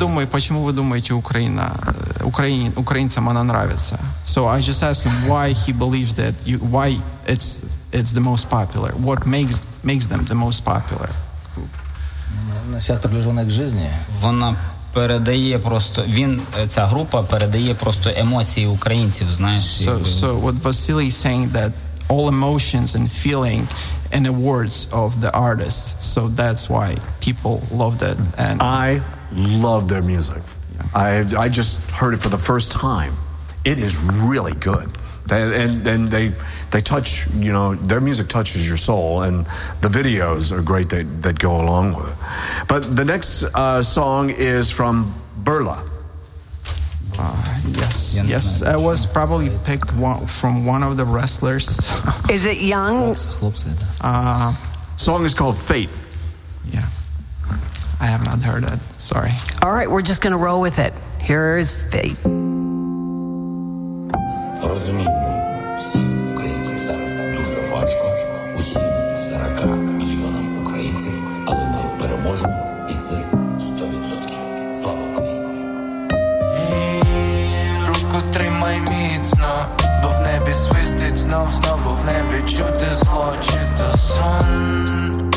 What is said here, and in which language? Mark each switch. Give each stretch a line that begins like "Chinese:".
Russian: Почему вы думаете, украинцам она нравится?
English: So I just asked him why he believes that. Why it's the most popular? What makes them the most popular?
Russian: Сейчас приближенная к жизни.
Ukrainian: Вона передає просто, він, ця група передає просто емоції українців, знаєш.
English: So what Vasily is saying, that all emotions and feeling in the words of the artist. So that's why people love that. And I love their music. I just heard it for the first time. It is really good. They touch, you know, their music touches your soul, and the videos are great that go along with it. But the next song is from Burla. Yes, I was probably picked from one of the wrestlers. Is it Young? Song is called Fate. Yeah, I have not heard it. Sorry. All right, we're just gonna roll with it. Here is Fate.
Ukrainian: Розумію, всім українцям зараз дуже важко, усім 40 мільйонам українців, але ми переможемо, і це 100%. Слава Україні! Руку тримай міцно, бо в небі свистить знову в небі чути зло чи то сон.